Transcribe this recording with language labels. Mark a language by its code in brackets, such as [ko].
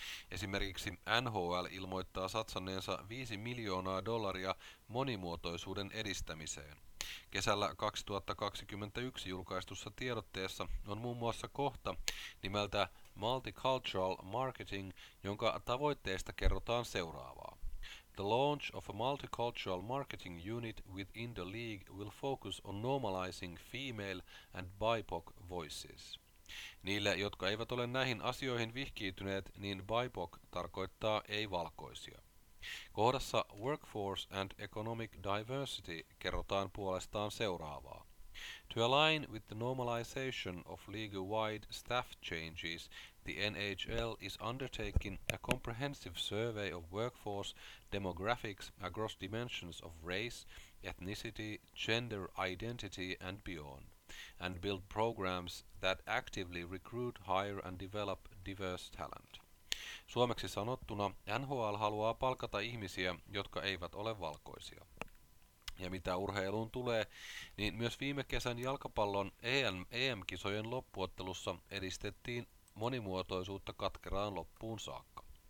[fi] Esimerkiksi NHL ilmoittaa satsanneensa 5 miljoonaa dollaria monimuotoisuuden edistämiseen. Kesällä 2021 julkaistussa tiedotteessa on muun muassa kohta nimeltä Multicultural Marketing, jonka tavoitteista kerrotaan seuraavaa. [en] The launch of a multicultural marketing unit within the league will focus on normalizing female and BIPOC voices. [fi] Niille, jotka eivät ole näihin asioihin vihkiytyneet, niin BIPOC tarkoittaa ei-valkoisia. Kohdassa Workforce and Economic Diversity kerrotaan puolestaan seuraavaa. [en] To align with the normalization of league-wide staff changes, the NHL is undertaking a comprehensive survey of workforce demographics across dimensions of race, ethnicity, gender identity and beyond, and build programs that actively recruit, hire and develop diverse talent. [fi] Suomeksi sanottuna NHL haluaa palkata ihmisiä, jotka eivät ole valkoisia. Ja mitä urheiluun tulee, niin myös viime kesän jalkapallon EM-kisojen loppuottelussa edistettiin monimuotoisuutta katkeraan loppuun saakka.